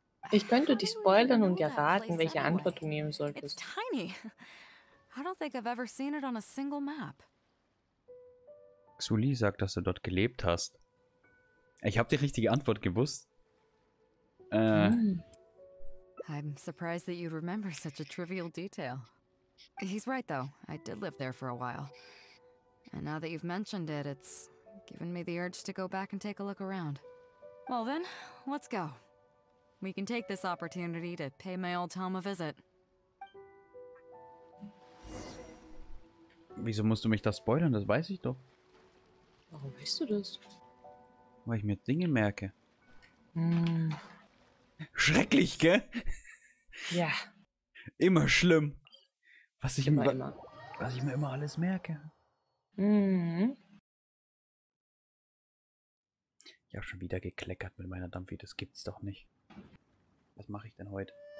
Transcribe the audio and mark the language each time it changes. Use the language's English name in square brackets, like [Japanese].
[German] Ich könnte dich spoilern und dir raten, welche Antwort du nehmen solltest. Ich [English] don't think I've ever seen it on a single map. [German] Xuli sagt, dass du dort gelebt hast. Ich habe die richtige Antwort gewusst. [English] I'm surprised that you remember such a trivial detail. He's right though. I did live there for a while. And now that you've mentioned it, it's given me the urge to go back and take a look around. Well then, let's go. We can take this opportunity to pay my old home a visit. [German] Wieso musst du mich das spoilern? Das weiß ich doch. Warum weißt du das? Weil ich mir Dinge merke. Mm. Schrecklich, gell? Ja. Immer schlimm. Was ich mir immer alles merke. Ich habe schon wieder gekleckert mit meiner Dampfi. Das gibt's doch nicht. Was mache ich denn heute?